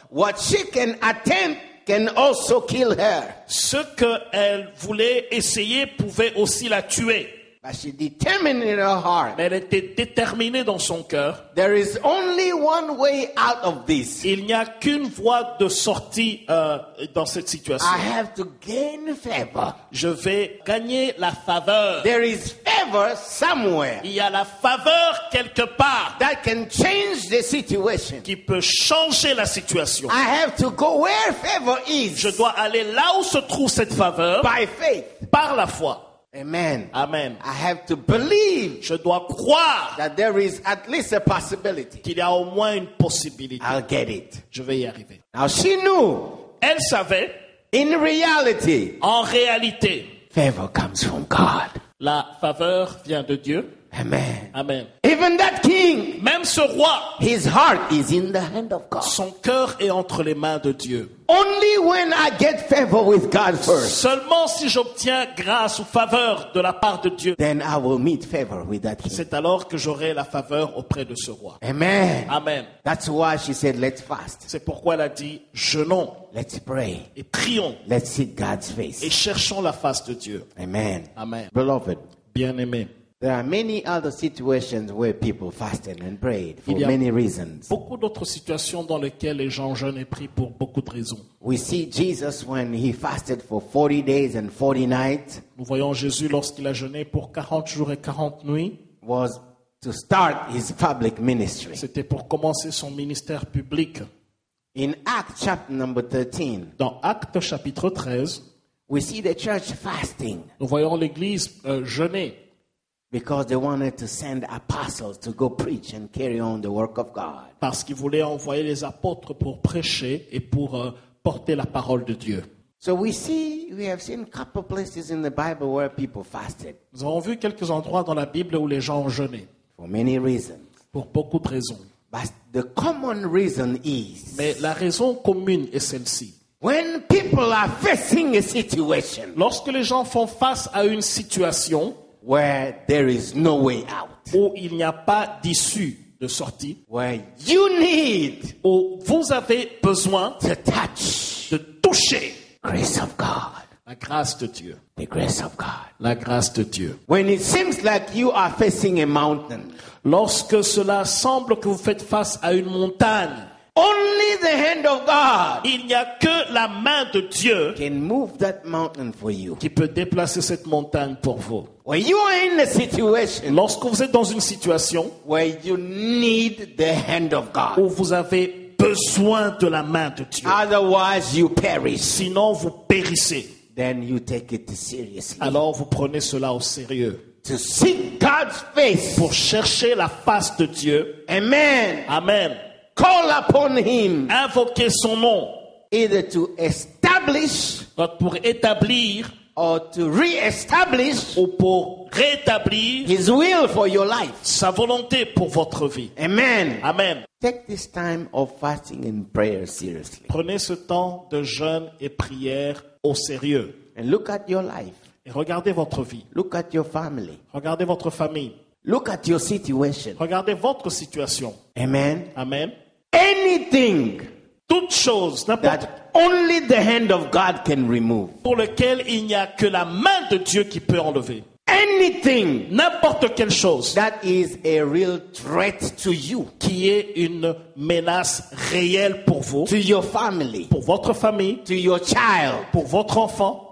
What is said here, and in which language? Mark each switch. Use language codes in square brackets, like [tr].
[en] What she can attempt can also kill her. [fr] Ce qu'elle voulait essayer pouvait aussi la tuer. [en] But she determined in her heart. [fr] Mais elle était déterminée dans son cœur. [en] There is only one way out of this. [fr] Il n'y a qu'une voie de sortie dans cette situation. [en] I have to gain favor. [fr] Je vais gagner la faveur. [en] There is favor. favor somewhere. [fr] Il y a la faveur quelque part. [en] That can change the situation. [fr] Qui peut changer la situation. [en] I have to go where favor is. [fr] Je dois aller là où se trouve cette faveur. [en] By faith. [fr] Par la foi. [en] Amen. [fr] Amen. [en] I have to believe. [fr] Je dois croire. [en] That there is at least a possibility. [fr] Qu'il y a au moins une possibilité. [en] I'll get it. [fr] Je vais y arriver. [en] Now she knew. [fr] Elle savait. [en] In reality. [fr] En réalité. [en] Favor comes from God. [fr] La faveur vient de Dieu. [en] Amen. [fr] Amen. [en] Even that king, [fr] même ce roi, [en] his heart is in the hand of God. [fr] Son cœur est entre les mains de Dieu. [en] Only when I get favor with God first. [fr] Seulement si j'obtiens grâce ou faveur de la part de Dieu. [en] Then I will meet favor with that king. [fr] C'est alors que j'aurai la faveur auprès de ce roi. [en] Amen. [fr] Amen. [en] That's why she said, "Let's fast." [fr] C'est pourquoi elle a dit, jeûnons. [en] Let's pray. [fr] Et prions. [en] Let's seek God's face. [fr] Et cherchons la face de Dieu. [en] Amen. [fr] Amen. [en] Beloved. [fr] Bien-aimé. [en] There are many other situations where people fasted and prayed for many reasons. [fr] Beaucoup d'autres situations dans lesquelles les gens jeûnent et prient pour beaucoup de raisons. [en] We see Jesus when he fasted for 40 days and 40 nights. [fr] Nous voyons Jésus lorsqu'il a jeûné pour 40 jours et 40 nuits. [en] Was to start his public ministry. [fr] C'était pour commencer son ministère public. [en] In Acts chapter number 13. [fr] Dans Actes chapitre 13. [en] We see the church fasting. [fr] Nous voyons l'église jeûner. [en] Because they wanted to send apostles to go preach and carry on the work of God. [fr] Parce qu'ils voulaient envoyer les apôtres pour prêcher et pour porter la parole de Dieu. [en] So we have seen a couple places in the Bible where people fasted. [fr] Nous avons vu quelques endroits dans la Bible où les gens ont jeûné. [en] For many reasons. [fr] Pour beaucoup de raisons. [en] But the common reason is. [fr] Mais la raison commune est celle-ci. [en] When people are facing a situation. [fr] Lorsque les gens font face à une situation. [en] Where there is no way out. [fr] Où il n'y a pas d'issue de sortie. [en] Where you need. [fr] Où vous avez besoin. [en] To touch. [fr] De toucher. [en] Grace of God. [fr] La grâce de Dieu. [en] The grace of God. [fr] La grâce de Dieu. [en] When it seems like you are facing a mountain. [fr] Lorsque cela semble que vous faites face à une montagne. [en] Only the hand of God. [fr] Il n'y a que la main de Dieu. [en] Can move that mountain for you. [fr] Qui peut déplacer cette montagne pour vous. [en] When you are in a situation, [fr] lorsque vous êtes dans une situation, [en] where you need the hand of God, [fr] où vous avez besoin de la main de Dieu, [en] otherwise you perish, [fr] sinon vous périssez, [en] then you take it seriously, [fr] alors vous prenez cela au sérieux, [en] to seek God's face, [fr] pour chercher la face de Dieu, [en] amen, [fr] amen, [en] call upon Him, [fr] invoquer son nom, [en] either to establish, [fr] pour établir. [en] Or to re-establish [fr] ou pour rétablir [en] his will for your life. [fr] Sa volonté pour votre vie. [en] Amen. [fr] Amen. [en] Take this time of fasting and prayer seriously. [fr] Prenez ce temps de jeûne et prière au sérieux. [en] And look at your life. [fr] Et regardez votre vie. [en] Look at your family. [fr] Regardez votre famille. [en] Look at your situation. [fr] Regardez votre situation. [en] Amen. [fr] Amen. [en] Anything. [fr] Toute chose, [en] that only the hand of God can remove. [fr] Pour lequel il n'y a que la main de Dieu qui peut enlever. [en] Anything, [fr] n'importe quelle chose, [en] that is a real threat to you, [fr] qui est une menace réelle pour vous, [en] to your family, [fr] pour votre famille, [en] to your child, [fr] pour votre enfant.